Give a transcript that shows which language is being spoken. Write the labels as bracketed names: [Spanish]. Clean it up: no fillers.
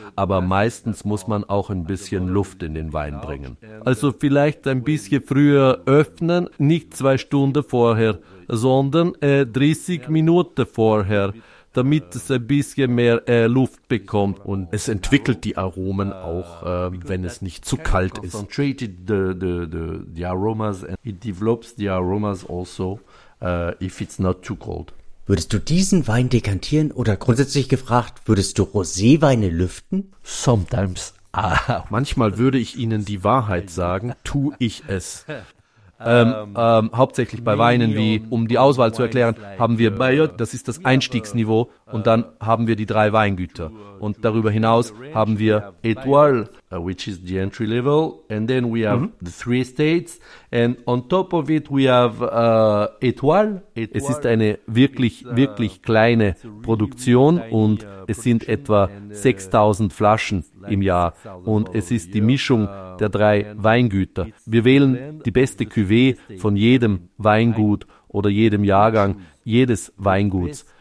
[German] Aber meistens muss man auch ein bisschen Luft in den Wein bringen. Also vielleicht ein bisschen früher öffnen, nicht 2 Stunden vorher, sondern 30 Minuten vorher, damit es ein bisschen mehr Luft bekommt. Und es entwickelt die Aromen auch, wenn es nicht zu kalt ist. [English] Concentrated the aromas and it develops the aromas also if it's not too cold. [German] Würdest du diesen Wein dekantieren oder grundsätzlich gefragt, würdest du Roséweine lüften? [English] Sometimes. [German] Manchmal würde ich Ihnen die Wahrheit sagen, tue ich es. Hauptsächlich bei Weinen wie, um die Auswahl zu erklären, haben wir Bayot, das ist das Einstiegsniveau, und dann haben wir die drei Weingüter. Und darüber hinaus haben wir [English] Etoile, which is the entry level, and then we have the three estates, and on top of it we have Etoile. [German] Es ist eine wirklich, wirklich kleine Produktion und es sind etwa 6000 Flaschen im Jahr und es ist die Mischung der drei Weingüter. Wir wählen die beste Cuvée von jedem Weingut oder jedem Jahrgang jedes Weinguts.